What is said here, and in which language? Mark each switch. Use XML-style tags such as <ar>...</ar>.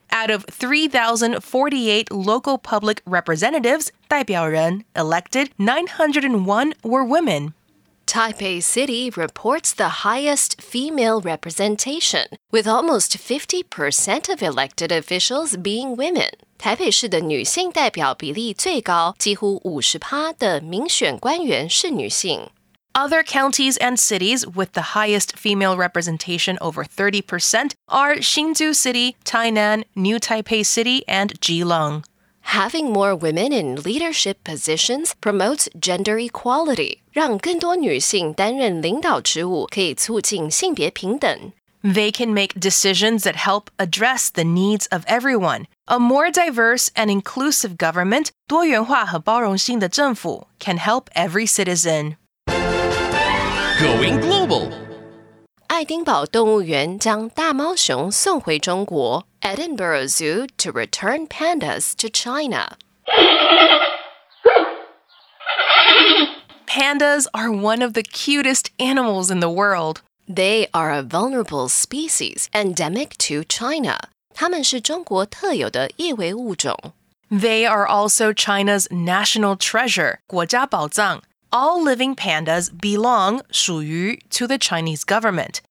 <en>Out of 3,048 local public representatives, 代表人, elected, 901 were women. Taipei City reports the highest female representation, with almost 50% of elected officials being women.</en> <zh>台北市的女性代表比例最高,几乎 50% 的民选官员是女性。</zh> <en>Other counties and cities with the highest female representation over 30% are Hsinchu City, Tainan, New Taipei City, and Geelong. Having more women in leadership positions promotes gender equality.</en> <zh>让更多女性担任领导职务可以促进性别平等。</zh> <en>They can make decisions that help address the needs of everyone. A more diverse and inclusive government, 多元化和包容性的政府, can help every citizen. Going global.</en> <zh>爱丁堡动物园将大猫熊送回中国。</zh> <en>Edinburgh Zoo to return pandas to China. Pandas are one of the cutest animals in the world. They are a vulnerable species endemic to China.</en> <zh>它们是中国特有的易危物种。</zh> <en>They are also China's national treasure, 国家宝藏。 All living pandas belong, 属于, to the Chinese government.</en>